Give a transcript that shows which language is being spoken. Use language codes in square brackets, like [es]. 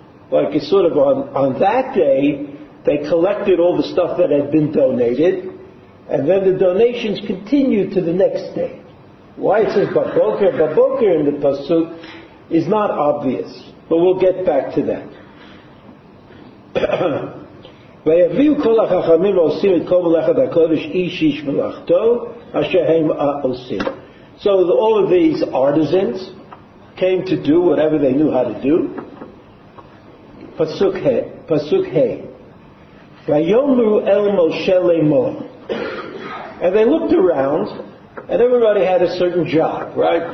[en] Like it's sort of on that day, they collected all the stuff that had been donated, and then the donations continued to the next day. Why it says baboker baboker in the pasuk is not obvious, but we'll get back to that. [he] ויביאו כל החכמים ועושים את כל מלאכת הקודש איש איש מלאכתו אשר הם עושים. [en] So all of these artisans came to do whatever they knew how to do. [he] Pasuk he. ויאמרו אל משה לאמור. [en] And they looked around, and everybody had a certain job, right?